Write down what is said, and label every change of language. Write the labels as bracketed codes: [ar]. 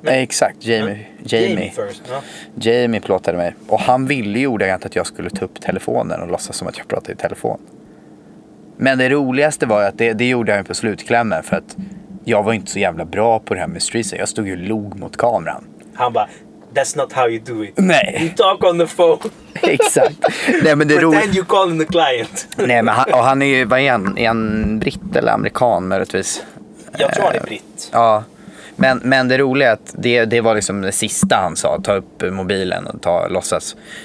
[sv] Nej, exakt. Jamie Ferguson. Jamie plåtade mig. Och han ville ju ordagrant att jag skulle ta upp telefonen och låtsas som att jag pratade i telefon. Men det roligaste var ju att det gjorde jag på slutklämmen, för att jag var inte så jävla bra på det här med streetstyle. Jag stod ju log mot kameran. Han bara, [en] that's not how you do it. [sv] Nej. [en] You talk on the phone. [sv] Exakt. Nej, men det [en] then you call in the client. [sv] Nej, men han är ju, vad är han? Är han britt eller amerikan möjligtvis? Jag tror han är britt. Ja. Men det roliga är att det var liksom det sista han sa, ta upp mobilen och ta låtsas.